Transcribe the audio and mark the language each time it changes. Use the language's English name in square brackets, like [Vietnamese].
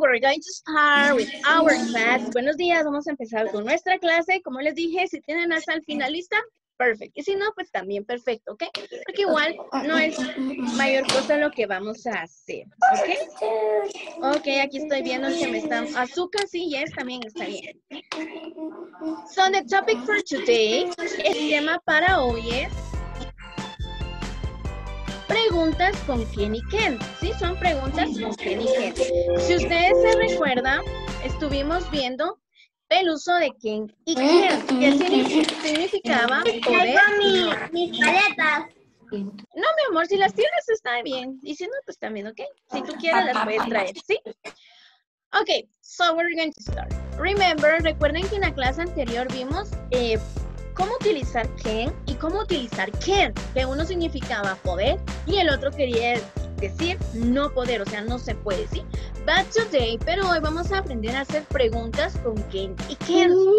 [English] We're going to start with our class. [Spanish] Buenos días, vamos a empezar con nuestra clase. Como les dije, si tienen hasta el finalista, perfecto. Y si no, pues también perfecto, ¿ok? Porque igual no es mayor cosa lo que vamos a hacer, ¿ok? Ok, aquí estoy viendo que me están... Azúcar, sí, yes, también está bien. [English] So, the topic for today, [Spanish] el tema para hoy es... Preguntas con quién y qué. Sí, son preguntas con quién y qué. Si ustedes se recuerdan, estuvimos viendo el uso de quién y qué. ¿Qué significaba poder? Mis paletas. No, mi amor, si las tienes está bien. Y si no, pues también, ¿ok? Si tú quieres las puedes traer, ¿sí? [English] Ok, so we're going to start. [Spanish] Remember, recuerden que en la clase anterior vimos... ¿cómo utilizar can y cómo utilizar can? Que uno significaba poder y el otro quería decir no poder, o sea, no se puede, ¿sí? But today, pero hoy vamos a aprender a hacer preguntas con can y can.